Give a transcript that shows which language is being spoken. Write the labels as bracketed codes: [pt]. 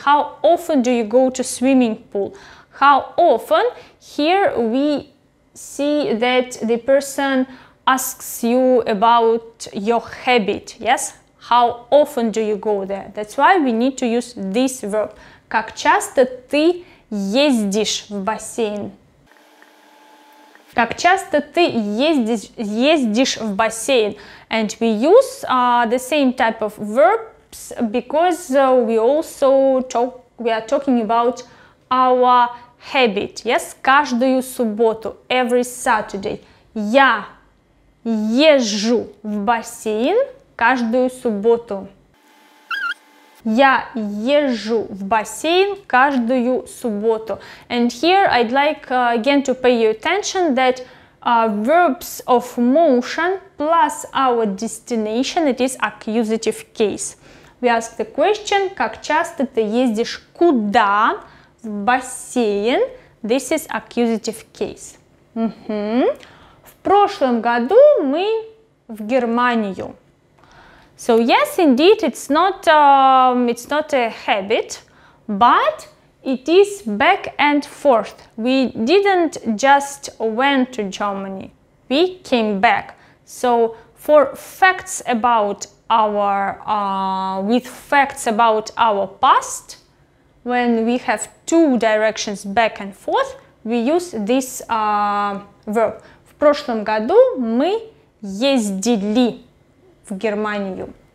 [en] How often do you go to swimming pool? How often? Here we see that the person asks you about your habit. Yes? How often do you go there? That's why we need to use this verb. [ru] Как часто ты ездишь в бассейн? Как часто ты ездишь в бассейн? [en] And we use the same type of verbs because we are talking about our habit. Yes, каждую субботу, every Saturday. [ru] Я езжу в бассейн каждую субботу. Я езжу в бассейн каждую субботу. [en] And here I'd like again to pay your attention that verbs of motion plus our destination, it is accusative case. [ru] We ask the question, как часто ты ездишь куда в бассейн? [en] This is accusative case. [ru] В прошлом году мы в Германию. [en] So yes, indeed, it's not a habit, but it is back and forth. We didn't just went to Germany, we came back. So for facts about our past, when we have two directions back and forth, we use this verb. [ru] В прошлом году мы ездили в Германию.